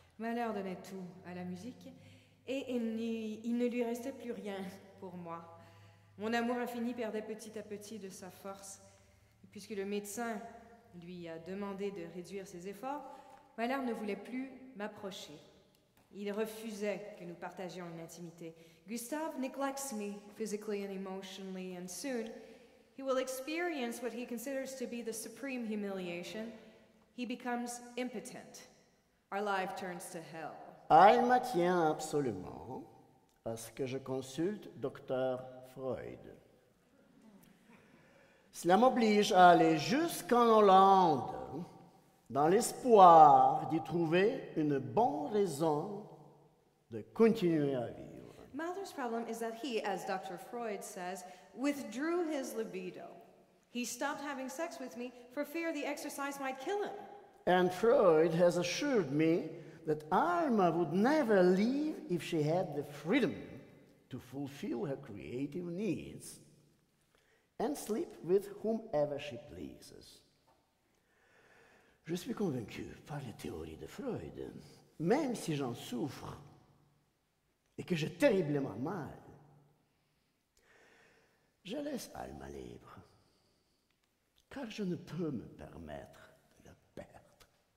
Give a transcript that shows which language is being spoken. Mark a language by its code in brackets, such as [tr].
[fr] Mahler donnait tout à la musique et il ne lui restait plus rien pour moi. Mon amour infini perdait petit à petit de sa force. Puisque le médecin lui a demandé de réduire ses efforts, Mahler ne voulait plus m'approcher. Il refusait que nous partagions une intimité. [en] Gustav neglects me physically and emotionally, and soon he will experience what he considers to be the supreme humiliation. He becomes impotent. Our life turns to hell. [fr] Ah, il m'attient absolument à ce que je consulte Dr. Freud. Cela m'oblige à aller jusqu'en Hollande dans l'espoir d'y trouver une bonne raison de continuer à vivre. [en] Mahler's problem is that he, as Dr. Freud says, withdrew his libido. He stopped having sex with me for fear the exercise might kill him. And Freud has assured me that Alma would never leave if she had the freedom to fulfill her creative needs and sleep with whomever she pleases. [fr] Je suis convaincu par les théories de Freud, même si j'en souffre, et que j'ai terriblement mal. Je laisse Alma libre, car je ne peux me permettre de la perdre.